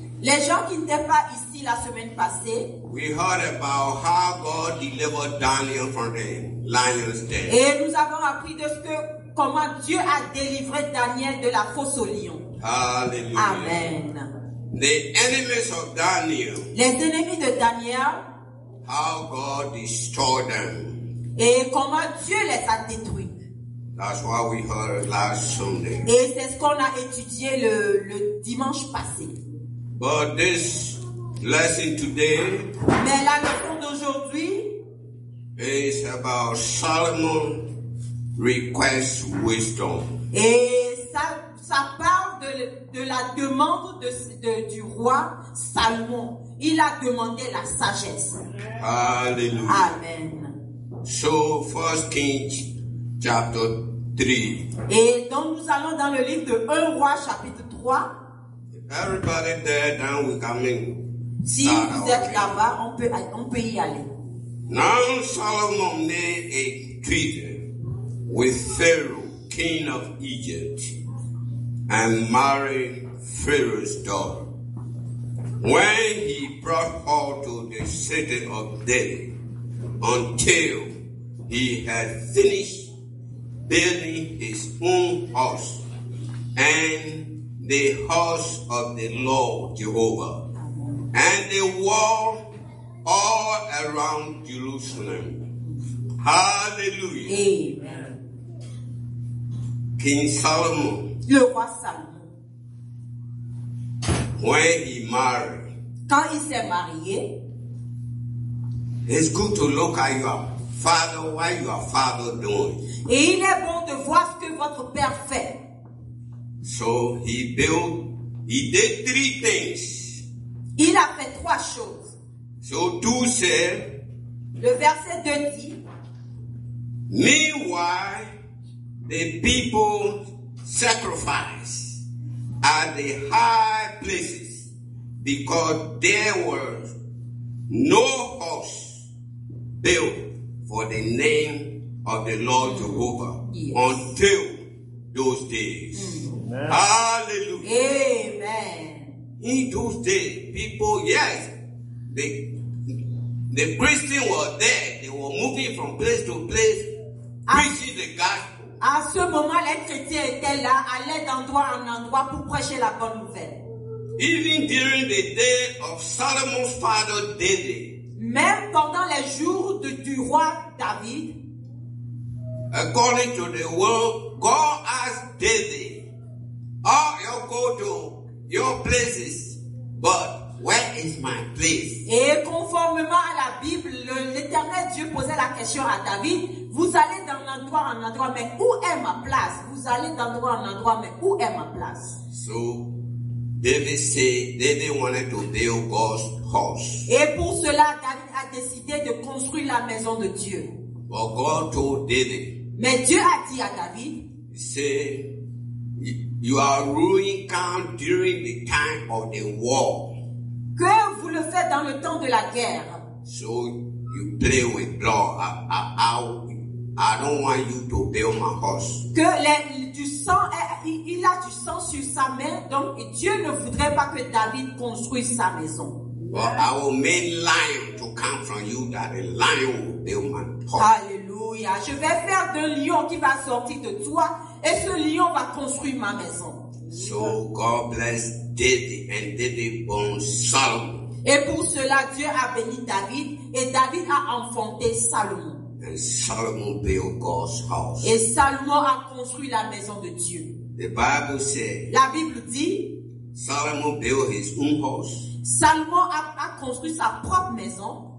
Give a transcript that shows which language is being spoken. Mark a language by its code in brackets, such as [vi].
[fr] les gens qui n'étaient pas ici la semaine passée, [en] we heard about how God delivered Daniel from the lion's den. [fr] Et nous avons appris de ce que comment Dieu a délivré Daniel de la fosse au lion. Hallelujah. Amen. [en] The enemies of Daniel, [fr] les ennemis de Daniel, [en] how God destroyed them. [fr] Et comment Dieu les a détruits. [en] That's what we heard last Sunday. [fr] Et c'est ce qu'on a étudié le dimanche passé. [en] But this lesson today, [fr] mais la leçon d'aujourd'hui, [en] is about Solomon requests wisdom. [fr] Et ça parle de la demande du roi Salomon. Il a demandé la sagesse. Alléluia. Amen. [en] So, 1 Kings chapter 3. [fr] Et donc nous allons dans le livre de 1 Roi chapitre 3. [en] Everybody there, then we come in. [fr] Si vous êtes là-bas, on peut y aller. [en] Now Solomon made a treaty with Pharaoh, king of Egypt, and married Pharaoh's daughter. When he brought her to the city of Delhi, until he had finished building his own house and the house of the Lord Jehovah, and the wall all around Jerusalem. Hallelujah. Amen. King Solomon, [fr] le roi Salomon, [en] when he married, [fr] quand il s'est marié, [en] it's good to look at your father, what your father doing. [fr] Et il est bon de voir ce que votre père fait. [en] So he did three things. [fr] Il a fait trois choses. [en] So two said, [fr] le verset 2 dit, [en] meanwhile, the people sacrificed at the high places because there was no house built for the name of the Lord Jehovah, yes, until those days. Amen. Hallelujah. Amen. In those days, people, yes, the Christians were there. They were moving from place to place, preaching the gospel. [fr] À ce moment, les chrétiens étaient là, allaient d'endroit en endroit pour prêcher la bonne nouvelle. [en] Even during the day of Solomon's father David, [fr] même pendant les jours du roi David, [en] according to the word, God asked David, oh, you go to your places, but where is my place? [fr] Et conformément à la Bible, l'Éternel Dieu posait la question à David, vous allez dans l'endroit en endroit, mais où est ma place? Vous allez d'endroit en endroit, mais où est ma place? [en] So, David said, David wanted to build God's house. [fr] Et pour cela, David a décidé de construire la maison de Dieu. [en] But God told David, [fr] mais Dieu a dit à David, [en] he said, you are ruining camp during the time of the war. [fr] Que vous le faites dans le temps de la guerre. [en] So you play with blood. I don't want you to build my house. [fr] Que du sang, il a du sang sur sa main, donc Dieu ne voudrait pas que David construise sa maison. [en] But I will make lion to come from you, that a lion will build my house. [fr] Alléluia. Je vais faire de lion qui va sortir de toi, et ce lion va construire ma maison. [en] So God bless David, and David born Solomon. [fr] Et pour cela, Dieu a béni David, et David a enfanté Salomon. [en] And Solomon built God's house. [fr] Et Salomon a construit la maison de Dieu. [en] The Bible says, [fr] la Bible dit, [en] Solomon built his own house. [fr] Salomon a construit sa propre maison.